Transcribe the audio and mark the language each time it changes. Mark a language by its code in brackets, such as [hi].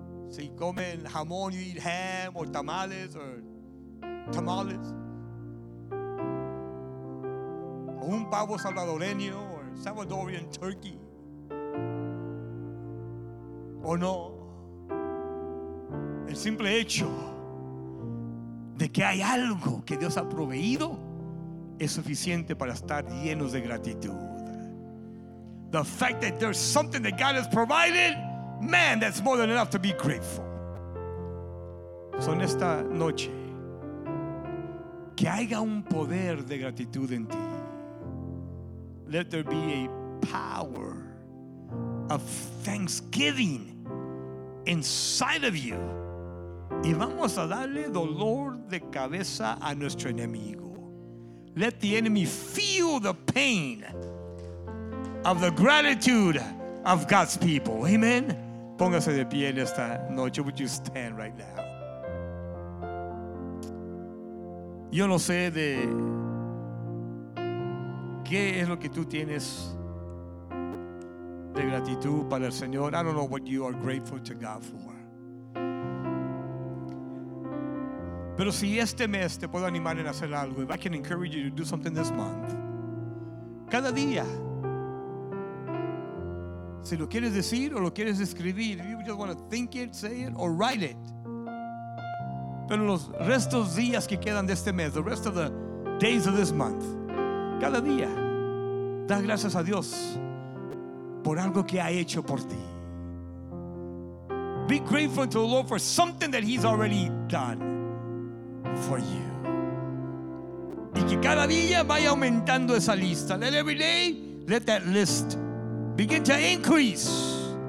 [es] Si comen jamón, [en] you eat ham or tamales, [es] un pavo salvadoreño [en] or Salvadorian turkey, [es] o no, el simple hecho de que hay algo que Dios ha proveído es suficiente para estar llenos de gratitud. [en] The fact that there's something that God has provided, man, that's more than enough to be grateful. [es] So en esta noche, que haya un poder de gratitud en ti. [en] Let there be a power of thanksgiving inside of you. [es] Y vamos a darle dolor de cabeza a nuestro enemigo. [en] Let the enemy feel the pain of the gratitude of God's people. [es] Amen. Póngase de pie en esta noche. [en] Would you stand right now? [es] Yo no sé de qué es lo que tú tienes de gratitud para el Señor. [en] I don't know what you are grateful to God for. [es] Pero si este mes te puedo animar en hacer algo, [en] if I can encourage you to do something this month, [es] cada día, si lo quieres decir o lo quieres escribir, [en] if you just want to think it, say it, or write it, [es] pero los restos días que quedan de este mes, [en] the rest of the days of this month, [es] cada día, da gracias a Dios por algo que ha hecho por ti. [en] Be grateful to the Lord for something that He's already done for you. [es] Y que cada día vaya aumentando esa lista. [en] Let every day, let that list begin to increase.